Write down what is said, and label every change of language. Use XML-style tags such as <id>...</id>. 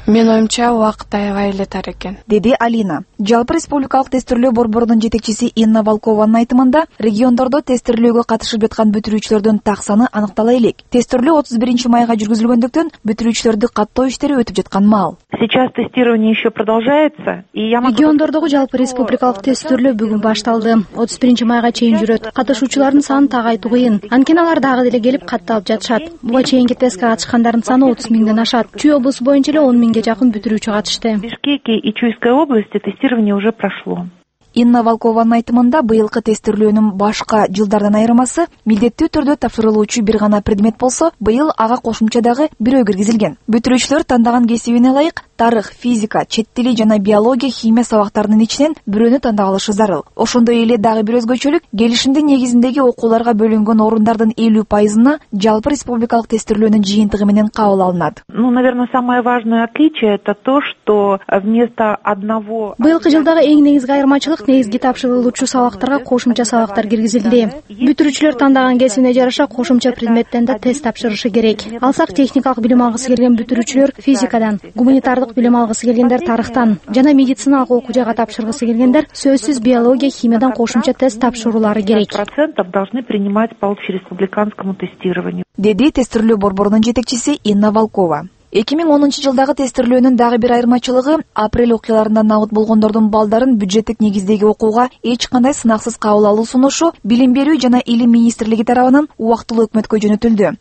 <ky>Менин оюмча убакыт аябай эле тар экен, деди Алина. Жалпы республикалык тестирлөө борборунун жетекчиси Инна Волкованын айтымында, региондордо тестирлөөгө катышып жаткан бүтүрүүчүлөрдүн так саны аныктала элек. Тестирлөө 31 майга жүргүзүлгөндүктөн бүтүрүүчүлөрдү каттоо иштери өтүп жаткан маал.</ky> <ru>Сейчас тестирование еще продолжается, и я могу.</ru> <ky>Региондордогу жалпы республикалык тестирлөө бүгүн башталды. 31 майга чейин жүрөт. Катышуучулардын санын тагайтуу кыйын. Анткени алар дагы деле келип катталып жатышат. Буга чейинки тестке катышкандардын саны 30,000 ашат. Чүй облусу боюнча эле 10,000 жакын бүтүрүүчү катышты.</ky> <ru>Бишкеки и Чуйской области тестирование уже прошло.</ru> <ky>Инна Волкованын айтымында быйылкы тестирлөөнүн башка жылдардан айырмасы милдеттүү түрдө тапшырылуучу бир гана предмет болсо, быйыл ага кошумча дагы бирөө киргизилген. Бүтүрүүчүлөр тандаган кесибине ылайык тарых, физика, чет тили жана биология, химия сабактарынын ичинен бирөөнү тандап алышы зарыл. Ошондой эле дагы бир өзгөчөлүк келишимдин негизиндеги окууларга бөлүнгөн орундардын 50%ына жалпы республикалык тестирлөөнүн жыйынтыгы менен кабыл алынат.</ky> <ru>Ну, наверное, самое важное отличие это то, что вместо одного.</ru> <ky>Быйылкы жылдагы эң негизги айырмачылык негизги тапшырылуучу сабактарга кошумча сабактар киргизилди. Бүтүрүүчүлөр тандаган кесибине жараша кошумча предметтен да тест тапшырышы керек. Алсак, техникалык билим алгысы келген бүтүрүүчүлөр физикадан, гуманитар тарых билим алгысы келгендер тарыхтан жана медициналык окуу жайга тапшыргысы келгендер сөзсүз биология, химиядан кошумча тест тапшыруулары керек.</ky> <ru>Процентов должны принимать по общереспубликанскому тестированию.</ru> <ky>Деди тестирлөө борборунун жетекчиси Инна Волкова. 2010 жылдагы тестирлөөнүн дагы бир айырмачылыгы апрель окуяларында наут болгондордун балдарын бюджеттик негиздеги окууга эч кандай сынаксыз кабыл алуу сунушу Билим берүү жана Илим министрлиги тарабынан убактылуу өкмөткө жөнөтүлдү.</ky>